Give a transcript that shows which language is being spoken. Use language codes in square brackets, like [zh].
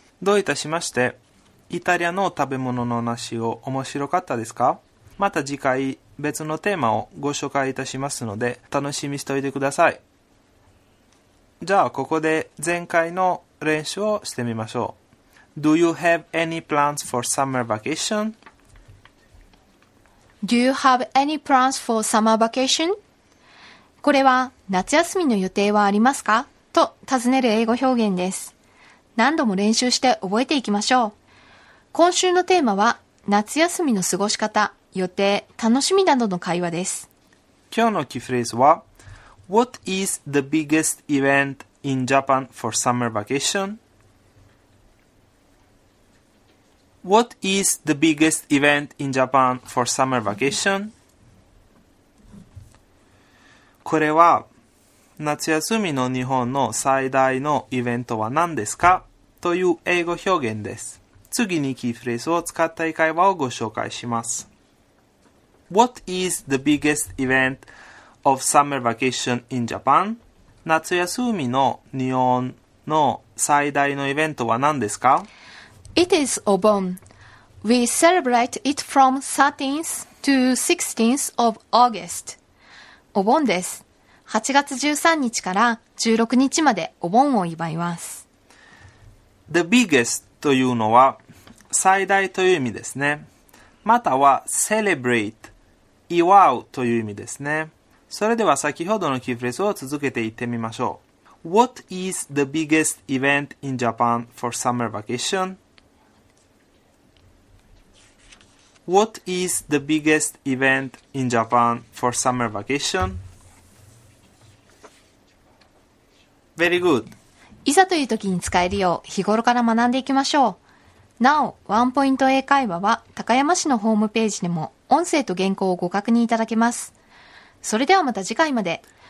[ja] どういたしまして。イタリアの食べ物の話を面白かったですか？また次回別のテーマをご紹介いたしますので楽しみしておいてください。じゃあここで前回の練習をしてみましょう。 [en] Do you have any plans for summer vacation? Do you have any plans for summer vacation? [ja] これは夏休みの予定はありますか？と尋ねる英語表現です。何度も練習して覚えていきましょう。今週のテーマは夏休みの過ごし方、予定、楽しみなどの会話です。今日のキーフレーズは [en] What is the biggest event in Japan for summer vacation? What is the biggest event in Japan for summer vacation? [ja] これは夏休みの日本の最大のイベントは何ですか？という英語表現です。次にキーフレーズを使った英会話をご紹介します。 [en] What is the biggest event of summer vacation in Japan? [ja] 夏休みの日本の最大のイベントは何ですか? [en] It is Obon. We celebrate it from 13th to 16th of August. [ja] お盆です。 8月13日から16日までお盆を祝います。 The biggest というのは最大という意味ですね。または celebrate 祝うという意味ですね。それでは先ほどのキーフレーズを続けて言ってみましょう。 [en] What is the biggest event in Japan for summer vacation? What is the biggest event in Japan for summer vacation? Very good. [ja] いざという時に使えるよう日頃から学んでいきましょう。なお、ワンポイント英会話は高山市のホームページでも音声と原稿をご確認いただけます。それではまた次回まで。